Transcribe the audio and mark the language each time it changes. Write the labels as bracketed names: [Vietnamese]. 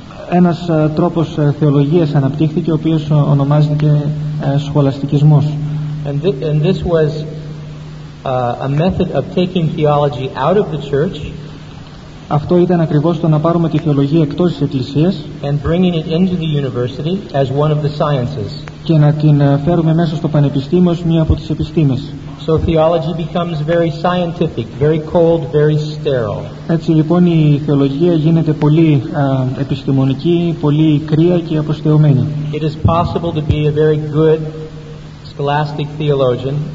[Greek] Ένας τρόπος θεολογίας αναπτύχθηκε ο οποίος ονομάζεται σχολαστικισμός. [English] And this was a method of taking theology out of the church. [Greek] Αυτό ήταν ακριβώς το να πάρουμε τη θεολογία εκτός της εκκλησίας, [English] and bringing it into the university as one of the sciences. [Greek] Και να την φέρουμε μέσα στο πανεπιστήμιο ως μία από τις επιστήμες. [English] So theology becomes very scientific, very cold, very sterile. [Greek] Έτσι λοιπόν η θεολογία γίνεται πολύ επιστημονική, πολύ κρύα και αποστεωμένη. [English] It is possible to be a very good scholastic theologian.